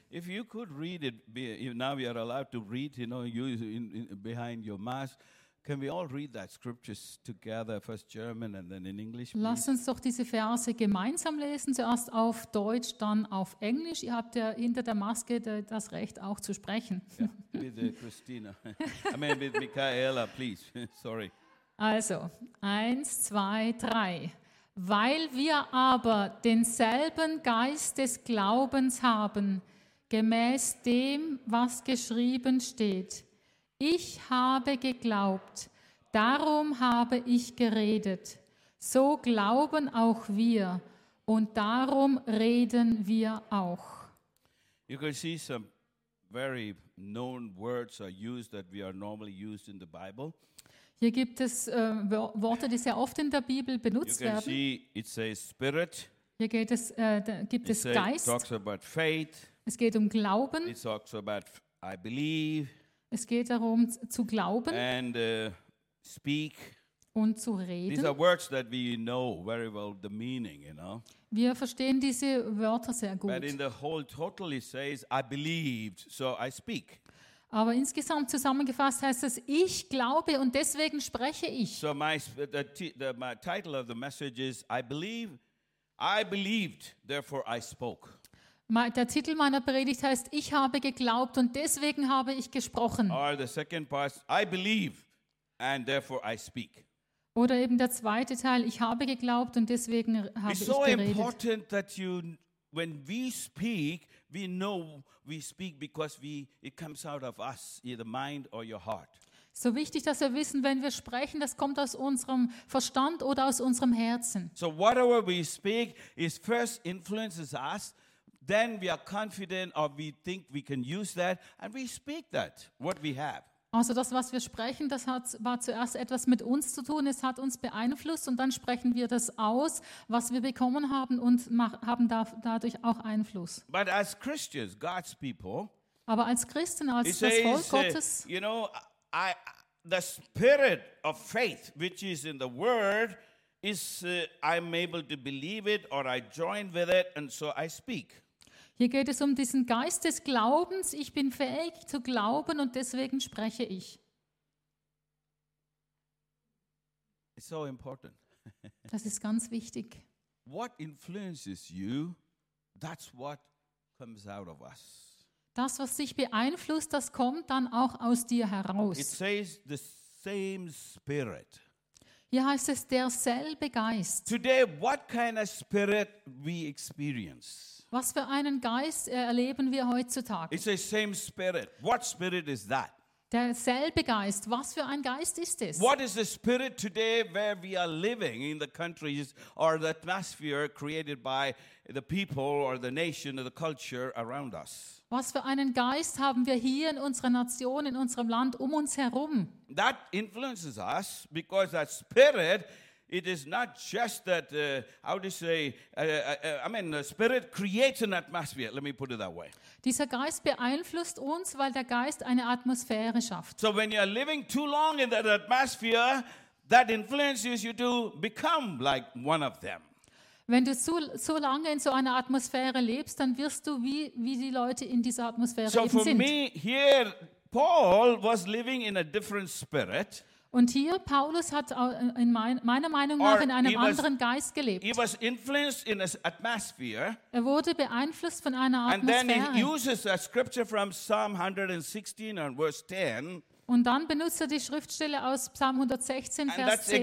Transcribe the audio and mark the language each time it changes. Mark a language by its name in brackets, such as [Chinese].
[English] If you could read it, now we are allowed to read, you know, you in behind your mask. Can we all read that scriptures together, first German and then in English, please? [German] Lass uns doch diese Verse gemeinsam lesen, zuerst auf Deutsch, dann auf Englisch. Ihr habt ja hinter der Maske das Recht, auch zu sprechen. [English] Yeah, with Christina. I mean, with Michaela, please. Sorry. Also, 1, 2, 3. [German] Weil wir aber denselben Geist des Glaubens haben, gemäß dem, was geschrieben steht, ich habe geglaubt, darum habe ich geredet. So glauben auch wir und darum reden wir auch. [English] You can see some very known words are used that we are normally used in the Bible. [German] Hier gibt es Worte, die sehr oft in der Bibel benutzt [English] you can [German] werden. [English] See it says spirit. [German] Hier geht es, gibt [English] it [German] es say, Geist. [English] Talks about faith. [German] Es geht um Glauben. [English] It talks about I believe. [German] Es geht darum, zu glauben [English] and, speak. [German] Und zu reden. [English] These are words that we know very well the meaning, you know. [German] Wir verstehen diese Wörter sehr gut. [English] But in the whole total it says, I believed, so I speak. [German] Aber insgesamt zusammengefasst heißt es, ich glaube und deswegen spreche ich. [English] So my title of the message is, I believe, I believed, therefore I spoke. [German] Der Titel meiner Predigt heißt, ich habe geglaubt und deswegen habe ich gesprochen. [English] Or the second part, I believe and therefore I speak. [German] Oder eben der zweite Teil, ich habe geglaubt und deswegen habe [English] It's [German] ich [English] so [German] geredet. [English] It's so important that you, when we speak, we know we speak because we it comes out of us, either mind or your heart. [German] So wichtig, dass wir wissen, wenn wir sprechen, das kommt aus unserem Verstand oder aus unserem Herzen. [English] So whatever we speak is first influences us. Then we are confident or we think we can use that and we speak that, what we have. [German] Also das, was wir sprechen, das hat, war zuerst etwas mit uns zu tun, es hat uns beeinflusst und dann sprechen wir das aus, was wir bekommen haben und haben dadurch auch Einfluss. [English] But as Christians, God's people, [German] aber als Christen, als das Volk Gottes, [English] you know, the spirit of faith, which is in the word, is I'm able to believe it or I join with it and so I speak. [German] Hier geht es um diesen Geist des Glaubens. Ich bin fähig zu glauben und deswegen spreche ich. [English] It's so important. [German] Das ist ganz wichtig. [English] What influences you, that's what comes out of us. [German] Das, was dich beeinflusst, das kommt dann auch aus dir heraus. [English] It says the same spirit. [German] Hier heißt es derselbe Geist. [English] Today, what kind of spirit we experience? [German] Was für einen Geist erleben wir heutzutage? [English] It's the same spirit. What spirit is that? [German] Derselbe Geist. Was für ein Geist ist es? [English] What is the spirit today where we are living in the countries or the atmosphere created by the people or the nation or the culture around us? [German] Was für einen Geist haben wir hier in unserer Nation, in unserem Land, um uns herum? [English] That influences us because that spirit, it is not just that, the spirit creates an atmosphere. Let me put it that way. [German] Dieser Geist beeinflusst uns, weil der Geist eine Atmosphäre schafft. [English] So when you are living too long in that atmosphere, that influences you to become like one of them. [German] Wenn du so lange in so einer Atmosphäre lebst, dann wirst du wie die Leute in dieser Atmosphäre [English] so [German] eben sind. [English] So for me here, Paul was living in a different spirit. [German] Und hier, Paulus hat in meiner Meinung nach in einem anderen Geist gelebt. [English] He was influenced in an atmosphere. [German] Er wurde beeinflusst von einer Atmosphäre. [English] And then he uses a scripture from Psalm 116 and verse 10. [German] Und dann benutzt er die Schriftstelle aus Psalm 116, Vers 10.